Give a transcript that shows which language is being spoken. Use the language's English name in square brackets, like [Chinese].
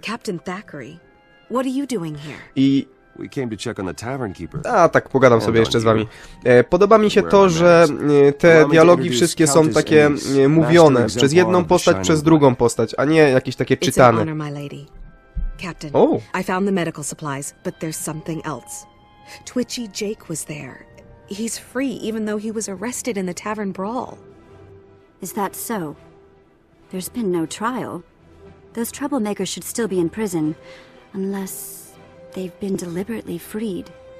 [English] Captain Thackeray, what are you doing here? I... We came to check on the tavern keeper. [Polish] A tak, pogadam sobie jeszcze z wami. Podoba mi się to, że te dialogi wszystkie są takie mówione przez jedną postać, przez drugą postać, a nie jakieś takie czytane. [English] Captain, I found the medical supplies, but there's something else. Twitchy Jake was there. He's free, even though he was arrested in the tavern brawl. Is that so? There's been no trial. Those troublemakers should still be in prison, unless they've been deliberately freed.